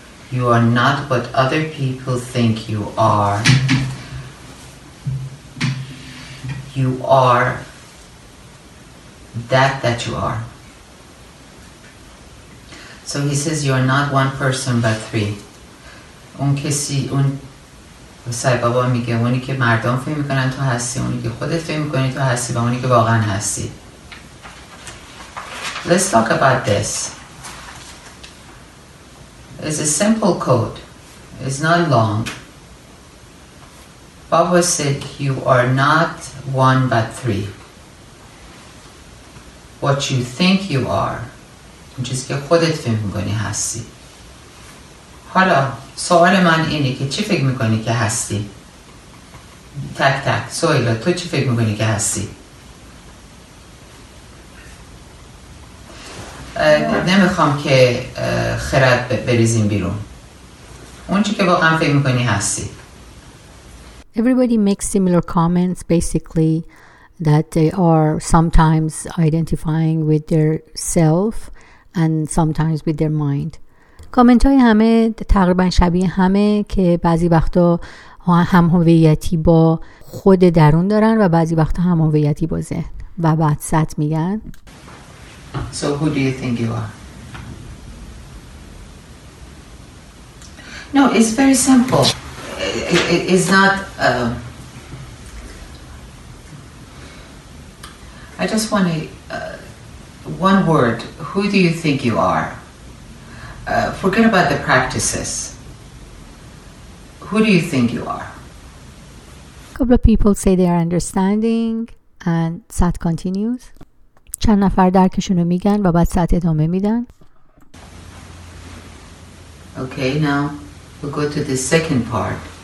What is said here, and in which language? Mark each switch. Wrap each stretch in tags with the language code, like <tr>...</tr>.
<en>You are not what other people think you are. You are that you are. So he says, you are not one person but three.</en> <fa>اون کسی اون سای بابا میگه اونی که مردم فهم میکنن تو هستی، اونی که خودت فهم میکنی تو هستی و اونی که واقعا هستی.</fa> <en>Let's talk about this. It's a simple quote. It's not long. Baba said, you are not one but three. What you think you are,</en> <fa>اون چیزی که خودت فهم میکنی هستی. حالا سوال من اینه که چی فکر میکنی که هستی؟ تک تک سوالا، تو چی فکر میکنی که هستی؟ نمیخوام که خرد بریزیم بیرون. اون چی که واقعا فکر میکنی هستی؟</fa> <en>Everybody makes similar comments basically that they are sometimes identifying with their self and sometimes with their mind.</en> <fa>کامنت های همه تقریبا شبیه همه که بعضی وقتا هم هویتی با خود درون دارن و بعضی وقتا هم هویتی با ذهن و بعد ست میگن.</fa> <en>So who do you think you are? No, it's very simple. It's not... I just want to... one word. Who do you think you are? Forget about the practices. Who do you think you are? A couple of people say they are understanding, and Sat continues.</en> <fa>چند نفر درکشون رو میگن و بعد Sat ادامه میدن.</fa> <en>Okay, now we go to the second part.</en>